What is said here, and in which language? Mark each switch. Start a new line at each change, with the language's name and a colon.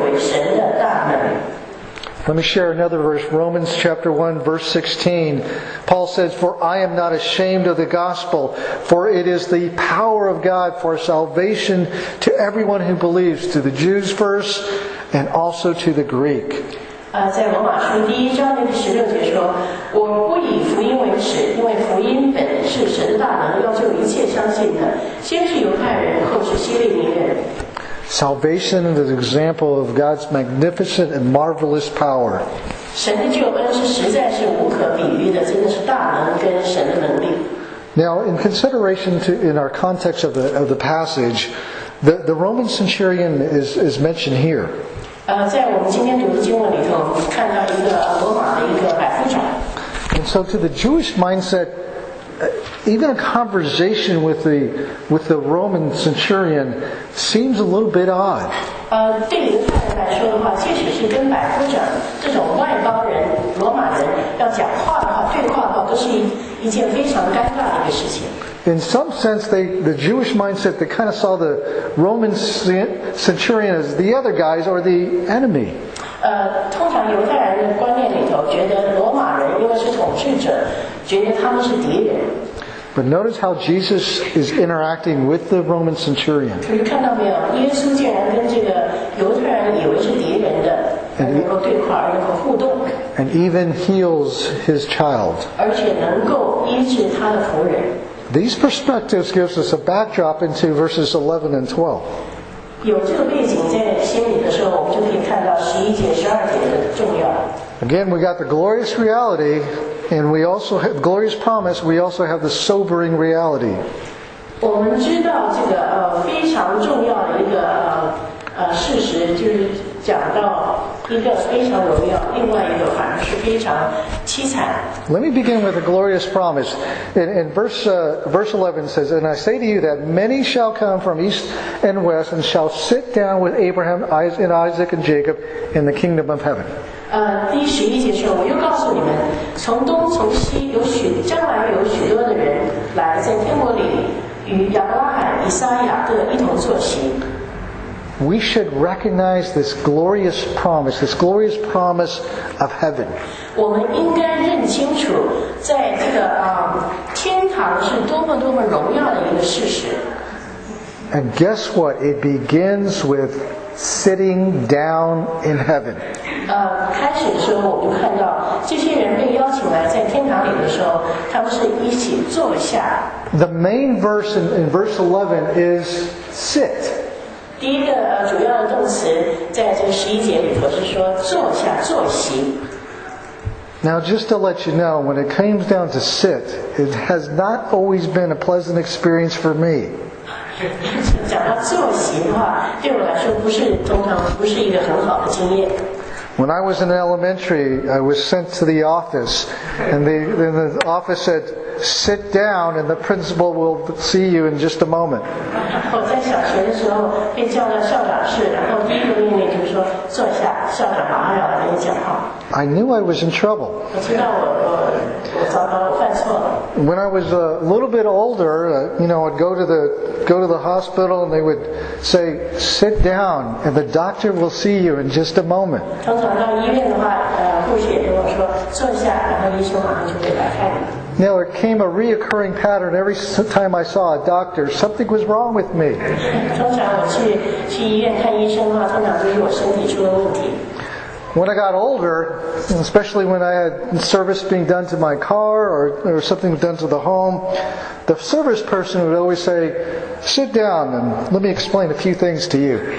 English: Let me share another verse. Romans chapter 1, verse 16. Paul says, "For I am not ashamed of the gospel, for it is the power of God for salvation to everyone who believes, to the Jews first, and also to the Greek."
Chinese: 在罗马书第一章第十六节说，我不以福音为耻，因为福音本是神的大能，要救一切相信的，先是犹太人，后是希利尼人。
English: Salvation is an example of God's magnificent and marvelous power.
Chinese: 神的救恩是实在是无可比喻的，真的是大能跟神的能力。
English: Now, in consideration to in our context of the passage, the Roman centurion is mentioned here.
Chinese: 在我们今天读的经文里头，看到一个罗马的一个百夫长。
English: And so, to the Jewish mindset, even a conversation with the Roman centurion seems a little bit odd.
Chinese: 对犹太人来说的话，即使是跟百夫长这种外邦人、罗马人要讲话的话、对话的话，都是一件非常尴尬的一个事情。
English: In some sense, the Jewish mindset, they kind of saw the Roman centurion as the other guys or the enemy.
Chinese: 通常犹太人的观念里头，觉得罗马人因为是统治者，觉得他们是敌人。
English: But notice how Jesus is interacting with the Roman centurion.
Chinese: 你看到没有？耶稣竟然跟这个犹太人以为是敌人的，能够对话，能够互动。
English: And even heals his child.
Chinese: 而且能够医治他的仆人。
English: These perspectives give us a backdrop into verses 11 and 12.
Chinese: 有这个背景在心里的时候，我们就可以看到十一节、十二节的重要。
English: Again, we got the glorious reality, and we also have glorious promise. We also have the sobering reality.
Chinese: 我们知道这个非常重要的一个事实，就是讲到一个非常荣耀，另外一个反而是非常凄惨。
English: Let me begin with a glorious promise. In verse 11 says, "And I say to you that many shall come from east and west and shall sit down with Abraham, Isaac, and Jacob in the kingdom of heaven."
Chinese: 第十一节说，我又告诉你们，从东从西有许将来有许多的人来在天国里与亚伯拉罕、以撒、雅各一同坐席。
English: We should recognize this glorious promise of heaven.
Chinese: 我们应该认清楚，在这个天堂是多么多么荣耀的一个事实。
English: And guess what? It begins with sitting down in heaven.
Chinese: 开始的时候我们就看到，这些人被邀请来在天堂里的时候，他们是一起坐下。
English: The main verse in verse 11 is sit.
Chinese: 第一个主要的动词在这十一节里头是说坐下坐席。
English: Now just to let you know, when it came down to sit, it has not always been a pleasant experience for me.
Chinese: 讲到坐席的话，对我来说不是通常不是一个很好的经验。
English: When I was in elementary, I was sent to the office, and the office said, "Sit down, and the principal will see you in just a moment."
Chinese: 我在小学的时候被叫到校长室，然后第一个命令就是说坐下，校长马上要来跟你讲话。
English: I knew I was in trouble.
Chinese: 我知道我糟糕了，我犯错了。
English: When I was a little bit older, I'd go to the hospital, and they would say, "Sit down, and the doctor will see you in just a moment."
Chinese: 通常到医院的话，护士也跟我说坐下，然后医生马上就会来看你。
English: Now it came a reoccurring pattern every time I saw a doctor. Something was wrong with me.
Chinese: 通常我去医院看医生的话，通常就是我身体出了问题。
English: When I got older, especially when I had service being done to my car or something done to the home, the service person would always say, "Sit down and let me explain a few things to you."